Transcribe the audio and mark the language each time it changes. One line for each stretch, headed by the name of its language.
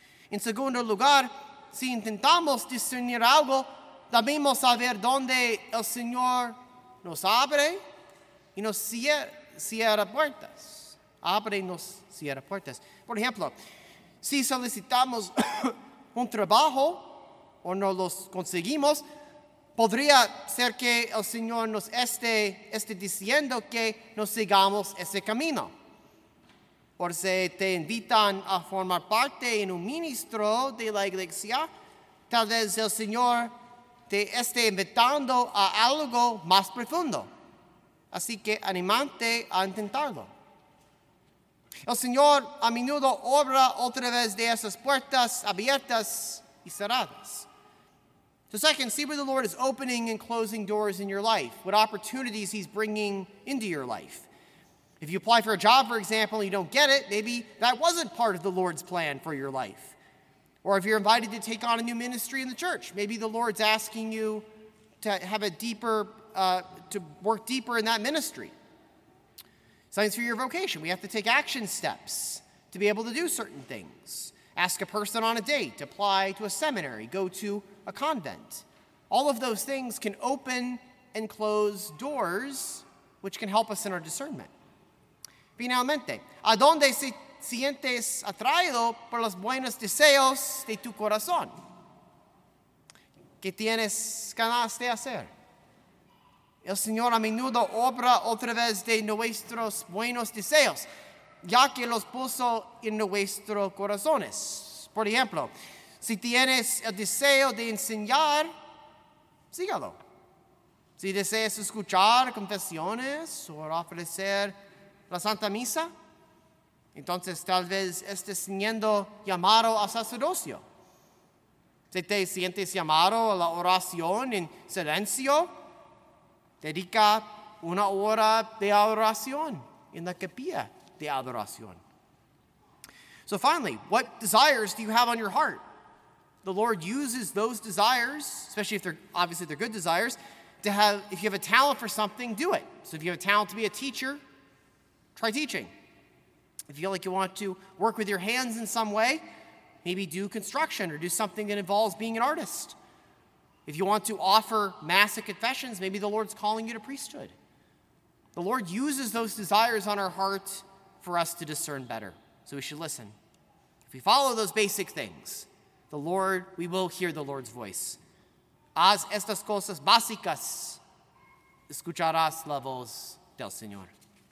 Spanish: En segundo lugar, si intentamos discernir algo, debemos saber dónde el Señor nos abre y nos cierra puertas. Abre y nos cierra puertas. Por ejemplo, si solicitamos un trabajo o no los conseguimos, podría ser que el Señor nos esté diciendo que no sigamos ese camino. O si te invitan a formar parte en un ministro de la iglesia, tal vez el Señor te esté invitando a algo más profundo. Así que anímate a intentarlo. El Señor a menudo obra otra vez de esas puertas abiertas y cerradas.
English: So second, see where the Lord is opening and closing doors in your life, what opportunities he's bringing into your life. If you apply for a job, for example, and you don't get it, maybe that wasn't part of the Lord's plan for your life. Or if you're invited to take on a new ministry in the church, maybe the Lord's asking you to have a deeper, to work deeper in that ministry. Signs for your vocation. We have to take action steps to be able to do certain things. Ask a person on a date, apply to a seminary, go to a convent. All of those things can open and close doors, which can help us in our discernment.
Spanish: Finalmente, ¿a dónde se sientes atraído por los buenos deseos de tu corazón? ¿Qué tienes ganas de hacer? El Señor a menudo obra otra vez de nuestros buenos deseos, ya que los puso en nuestros corazones. Por ejemplo, si tienes el deseo de enseñar, sígalo. Si deseas escuchar confesiones o ofrecer la Santa Misa, entonces tal vez estés siendo llamado a sacerdocio. Si te sientes llamado a la oración en silencio, dedica una hora de adoración en la capilla de adoración.
English: So finally, what desires do you have on your heart? The Lord uses those desires, especially if they're obviously they're good desires, to have, if you have a talent for something, do it. So if you have a talent to be a teacher, try teaching. If you feel like you want to work with your hands in some way, maybe do construction or do something that involves being an artist. If you want to offer mass and confessions, maybe the Lord's calling you to priesthood. The Lord uses those desires on our heart for us to discern better. So we should listen. If we follow those basic things, the Lord, we will hear the Lord's voice.
Spanish: Haz estas cosas básicas, escucharás la voz del Señor.